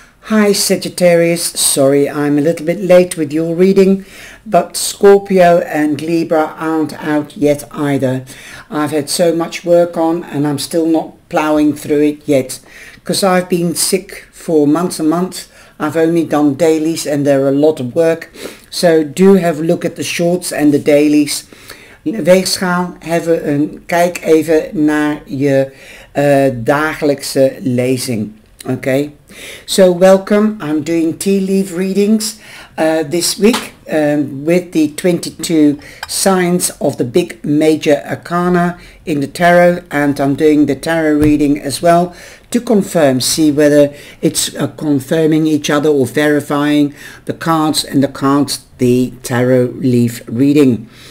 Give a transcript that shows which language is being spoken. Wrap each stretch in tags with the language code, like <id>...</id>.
<en>Hi Sagittarius, sorry I'm a little bit late with your reading, but Scorpio and Libra aren't out yet either. I've had so much work on and I'm still not ploughing through it yet, because I've been sick for months and months. I've only done dailies and they're a lot of work, so do have a look at the shorts and the dailies.</en> <nl>Weegschaal,</nl> <en>have a</en> <nl>kijk even naar je dagelijkse lezing.</nl> <en>Okay, so welcome. I'm doing tea leaf readings this week with the 22 signs of the big major arcana in the tarot, and I'm doing the tarot reading as well to confirm, see whether it's confirming each other or verifying the cards and the cards, the tarot leaf reading.</en>